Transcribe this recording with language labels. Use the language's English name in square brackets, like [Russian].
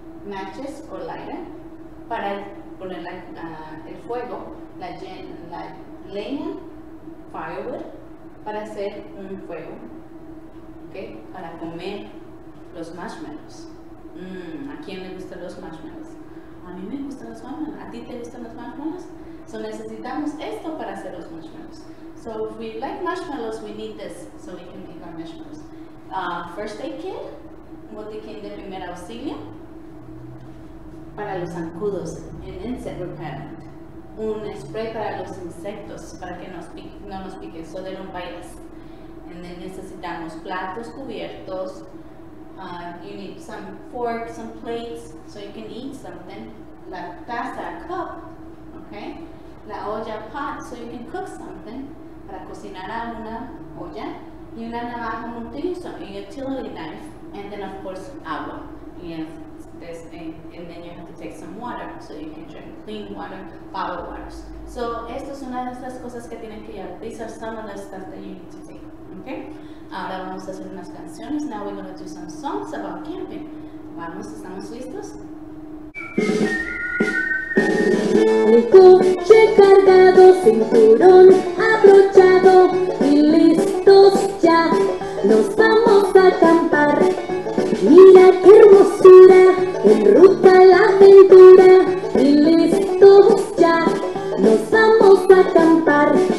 [Spanish] Matches o lighter. Para poner el fuego, la leña, firewood. Para hacer un fuego. Okay? Para comer los marshmallows. ¿A quién le gustan los marshmallows? A mí me gustan los marshmallows. ¿A ti te gustan los marshmallows? So necesitamos esto para hacer los marshmallows. [English] So if we like marshmallows, we need this so we can make our marshmallows. First aid kit, [Spanish] botiquín de primer auxilio, para los zancudos, [English] an insect repellent, [Spanish] un spray para los insectos, para que no nos piquen, [English] so they don't bite us. And then [Spanish] necesitamos platos cubiertos, [English] you need some forks, some plates, so you can eat something, [Spanish] la taza, [English] a cup, okay? [Spanish] La olla, [English] pot, so you can cook something, [Spanish] para cocinar a una olla, y una navaja multiuso, [English] y a utility knife, and then of course agua, and then you have to take some water, so you can drink clean water, bottled waters. [Spanish] So, esto es una de esas cosas que tienen que llevar. [English] These are some of the stuff that you need to take, okay? [Spanish] Ahora vamos a hacer unas canciones. [English] Now we're going to do some songs about camping. [Spanish] Vamos, ¿estamos listos? Un coche cargado, cinturón abrochado y listos ya, nos vamos a acampar. Mira qué hermosura, en ruta la aventura y listos ya, nos vamos a acampar.